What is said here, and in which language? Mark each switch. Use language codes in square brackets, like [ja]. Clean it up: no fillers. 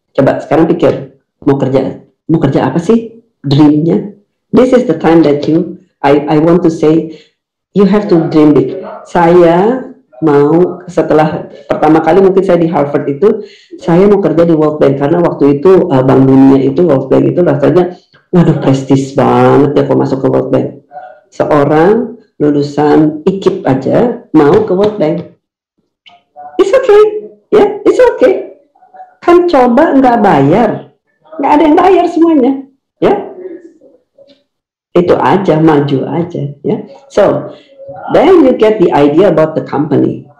[id] Coba sekarang pikir, mau kerja apa sih dreamnya? [en] This is the time that I want to say you have to dream big. [id] Saya mau setelah pertama kali mungkin saya di Harvard itu, saya mau kerja di World Bank karena waktu itu Bank Dunia itu World Bank itu rasanya waduh prestis banget ya kalau masuk ke World Bank. Seorang lulusan IKIP aja mau ke World Bank. [en] It's okay. [id] Ya, yeah, [en] it's okay. [id] Kan coba enggak bayar. Enggak ada yang bayar semuanya, ya. Yeah? Itu aja maju aja, ya. Yeah? [en] So, then you get the idea about the company.